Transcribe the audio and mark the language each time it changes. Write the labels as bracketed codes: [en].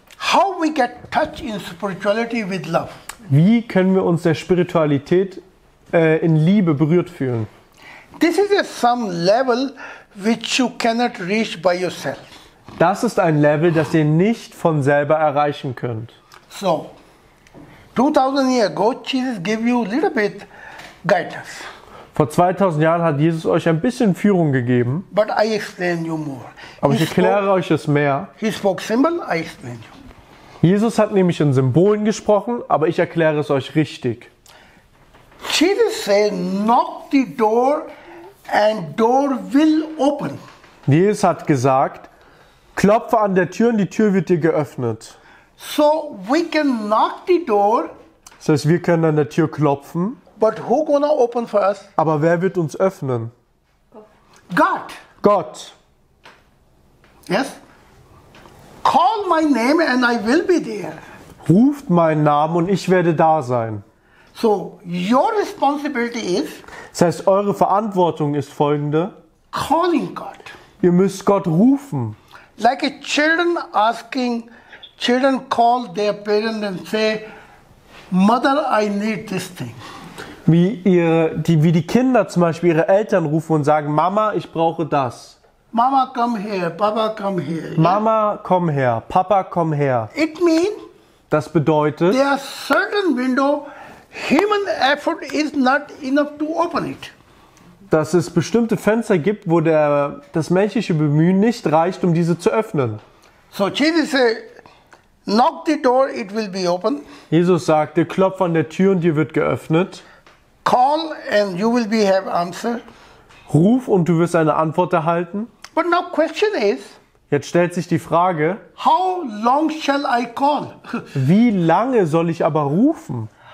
[en] how we get touch in spirituality with love? [de] Wie können wir uns der Spiritualität in Liebe berührt fühlen? [en] This is some level which you cannot reach by yourself. [de] Das ist ein Level, das ihr nicht von selber erreichen könnt. [en] So. 2000 years ago, Jesus gave you a little bit guidance. [de] Vor 2000 Jahren hat Jesus euch ein bisschen Führung gegeben. [en] But I explain you more. [de] Aber ich erkläre euch es mehr. [en] He spoke symbol, I explain you. [de] Jesus hat nämlich in Symbolen gesprochen, aber ich erkläre es euch richtig. [en] Jesus said, knock the door and door will open. [de] Jesus hat gesagt, klopfe an der Tür und die Tür wird dir geöffnet. [en] So we can knock the door. [de] Das heißt, wir können an der Tür klopfen. [en] But who gonna open for us? [de] Aber wer wird uns öffnen? [en] God. [de] Gott. [en] Yes? Call my name and I will be there. [de] Ruft meinen Namen und ich werde da sein. [en] So, your responsibility is. [de] Das heißt, eure Verantwortung ist folgende. [en] Calling God. [de] Ihr müsst Gott rufen. [en] Like a children asking, children call their parents and say, Mother, I need this thing. [de] Wie die Kinder zum Beispiel ihre Eltern rufen und sagen, Mama, ich brauche das. [en] Mama, come here. Papa, come here. [de] Mama, komm her. Papa, komm her. [en] It means. [de] Das bedeutet. [en] There are certain window. Human effort is not enough to open it. [de] Dass es bestimmte Fenster gibt, wo das menschliche Bemühen nicht reicht, um diese zu öffnen. [en] So Jesus said, knock the door, it will be open. [de] Jesus sagt, klopf an der Tür und dir wird geöffnet. [en] Call and you will be have answer. [de] Ruf und du wirst eine Antwort erhalten. [en] But now question is. [de] Jetzt stellt sich die Frage. [en] How long shall I call? [de] Wie lange soll ich aber rufen?